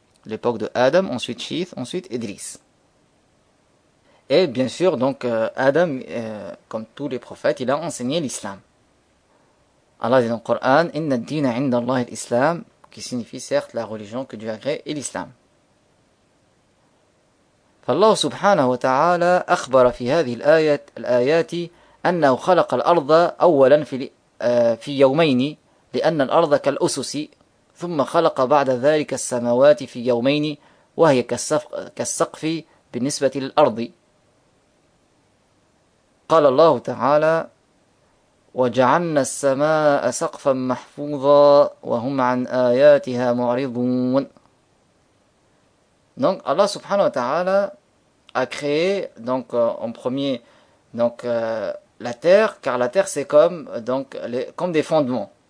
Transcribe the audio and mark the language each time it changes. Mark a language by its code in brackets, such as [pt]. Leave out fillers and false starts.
[fr] L'époque de Adam, ensuite Shith, ensuite Idris. Et bien sûr, donc Adam, comme tous les prophètes, il a enseigné l'islam. Allah dit dans le Coran, « [ar] Inna dina inda Allah l'islam [fr] » qui signifie certes la religion que Dieu a créée et l'islam. [ar] فالله سبحانه وتعالى أخبر في هذه الآيات أنه خلق الأرض أولا في يومين لأن الأرض كالأسس ثم خلق بعد ذلك السماوات في يومين وهي كالسقف بالنسبة للأرض. قال الله تعالى وجعلنا السماء سقفا محفوظا وهم عن آياتها معرضون. [fr] Donc Allah subhanahu wa ta'ala a créé donc en premier donc la terre, car la terre c'est comme donc comme des fondements.